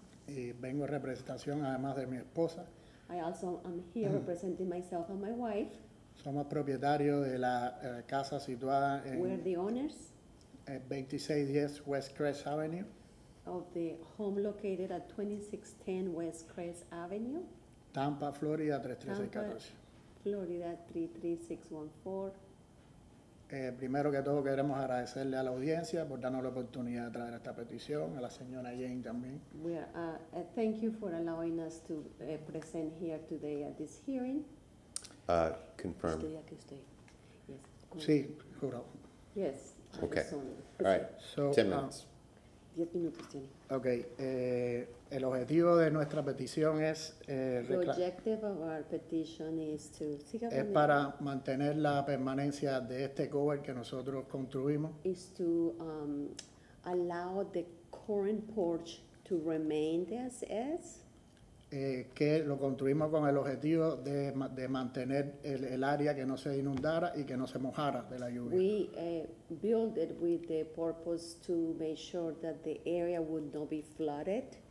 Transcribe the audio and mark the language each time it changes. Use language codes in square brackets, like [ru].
[es] Y vengo en representación además de mi esposa. [en] I also am here representing myself and my wife. [es] Somos propietarios de la casa situada en... [en] We're the owners. 2610 West Crest Avenue. Of the home located at 2610 West Crest Avenue. Tampa, Florida, 33614. Florida, 33614. [es] Primero que todo queremos agradecerle a la audiencia por darnos la oportunidad de traer esta petición, a la señora Jane también. [en] We are, thank you for allowing us to present here today at this hearing. Confirm. [es] Sí, juro. [en] Yes. Okay. All right. So, 10 minutes. [es] 10 minutos tiene. Okay. El objetivo de nuestra petición es... Es para mantener la permanencia de este cover que nosotros construimos. [en] Is to allow the current porch to remain as is. [es] Que lo construimos con el objetivo de mantener el área que no se inundara y que no se mojara de la lluvia. [en] We built it with the purpose to make sure that the area would not be flooded.